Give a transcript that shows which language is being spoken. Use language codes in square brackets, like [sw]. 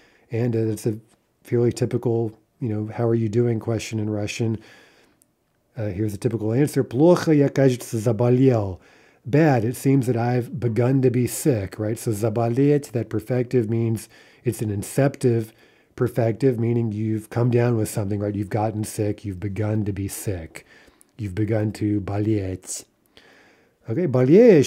[en] And it's a fairly typical, you know, how are you doing question in Russian. Here's a typical answer. [ru] Плохо я, кажется, заболел. [en] Bad, it seems that I've begun to be sick, right? So заболеть, that perfective means it's an inceptive perfective, meaning you've come down with something, right? You've gotten sick, you've begun to be sick. You've begun to болеть. Okay, болеешь?